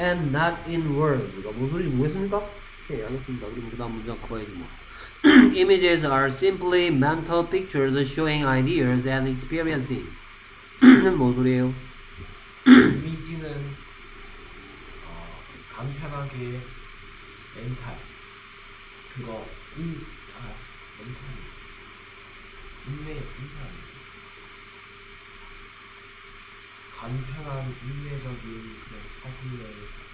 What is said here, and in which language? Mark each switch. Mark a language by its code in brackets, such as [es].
[ko] 그러니까 무슨 소리인지 모르겠습니까? 오케이, 알겠습니다. 그럼 그 다음 문장 가봐야지 뭐. [en] Images are simply mental pictures showing ideas and experiences. [ko] 뭔 소리예요? 이미지는 간편하게 멘탈 그거 인내 간편한 인내적인 그런 사진을